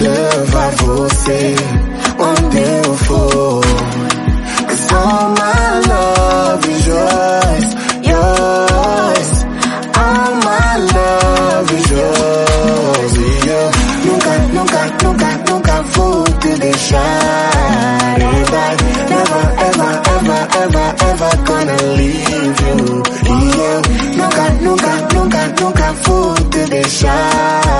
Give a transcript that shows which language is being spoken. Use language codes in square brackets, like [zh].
[pt] Onde eu for, [en] cause all my love is yours, yours. All my love is yours, yeah. [pt] Nunca, nunca, nunca, nunca vou te deixar. [en] Never, never, ever, ever, ever, ever gonna leave you, yeah. [pt] Nunca, nunca, nunca, nunca vou te deixar.